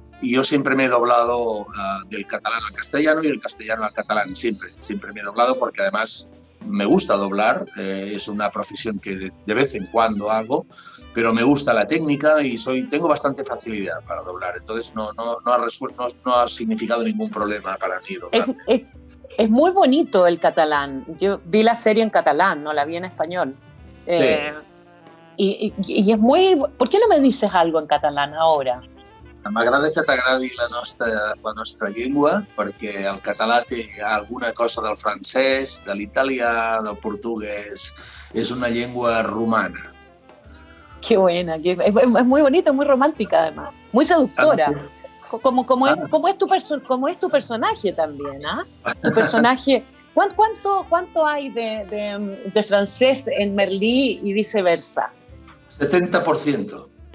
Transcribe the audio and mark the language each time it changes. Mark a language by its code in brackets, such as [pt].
[es] Y yo siempre me he doblado del catalán al castellano y del castellano al catalán, siempre me he doblado porque además me gusta doblar, es una profesión que de vez en cuando hago, pero me gusta la técnica y tengo bastante facilidad para doblar, entonces no ha significado ningún problema para mí doblar. Es muy bonito el catalán, yo vi la serie en catalán, no la vi en español. Sí. Y es muy, ¿por qué no me dices algo en catalán ahora? [ca] M'agrada que t'agradi la nostra llengua, perquè el català té alguna cosa del francès, de l'italià, del portuguès. És una llengua romana. [es] Qué buena, qué, es muy bonita, es muy romántica además, muy seductora. Como es tu personaje también, ¿ah? Tu personaje. ¿Cuánto hay de francés en Merlí y viceversa? 70%.